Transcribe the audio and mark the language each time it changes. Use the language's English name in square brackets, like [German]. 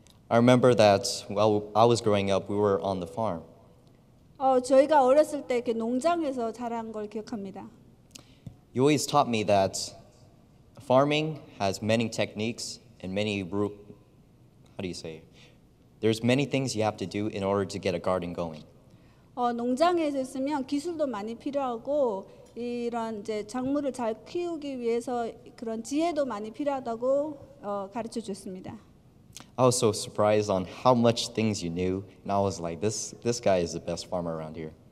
[English] I remember that while I was growing up, we were on the farm. [Korean] 저희가 어렸을 때 이렇게 농장에서 자란 걸 기억합니다. [English] You always taught me that farming has many techniques and many There's many things you have to do in order to get a garden going. [Korean] 농장에서 있으면 기술도 많이 필요하고 이런 이제 작물을 잘 키우기 위해서 그런 지혜도 많이 필요하다고 가르쳐 주셨습니다. [English] I was so surprised on how much things you knew, and I was like, this guy is the best farmer around here.